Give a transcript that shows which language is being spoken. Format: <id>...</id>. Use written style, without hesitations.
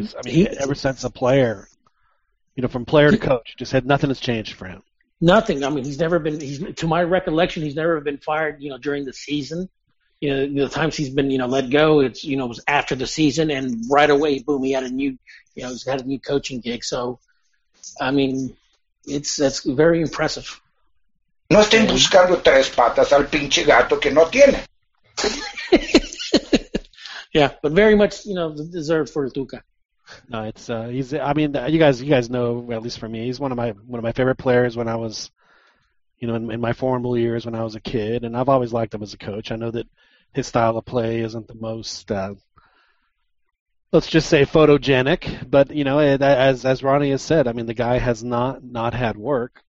<en>Ever since a player, you know, from player to coach, just had nothing has changed for him. Nothing. I mean, he's never been. He's, to my recollection, he's never been fired. You know, during the season, you know, the times he's been, you know, let go, it's, you know, it was after the season, and right away, boom, he had a new, you know, he's had a new coaching gig. So, I mean, that's very impressive.</en> <es>No estén buscando tres patas al pinche gato que no tiene.</es> <en>Yeah, but very much, you know, deserved for Tuca. No, it's he's. I mean, you guys know, at least for me, he's one of my favorite players when I was, you know, in my formal years when I was a kid, and I've always liked him as a coach. I know that his style of play isn't the most, let's just say, photogenic, but you know, as Ronnie has said, I mean, the guy has not had work.</en>